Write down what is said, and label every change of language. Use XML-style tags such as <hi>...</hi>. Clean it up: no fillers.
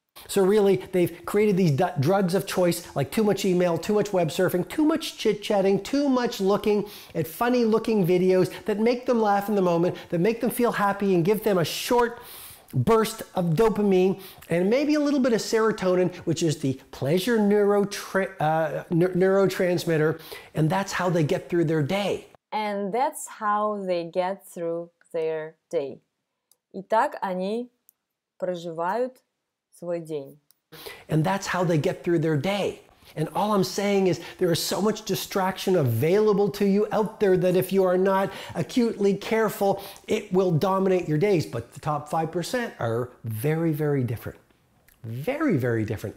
<en>So really, they've created these drugs of choice, like too much email, too much web surfing, too much chit-chatting, too much looking at funny-looking videos that make them laugh in the moment, that make them feel happy and give them a short burst of dopamine and maybe a little bit of serotonin, which is the pleasure neurotransmitter, and that's how they get through their day. And that's how they get through their day.</en> <ru>Итак, они проживают свой день.</ru> <en>And that's how they get through their day. And all I'm saying is there is so much distraction available to you out there that if you are not acutely careful, it will dominate your days. But the top 5% are very, very different. Very, very different.</en>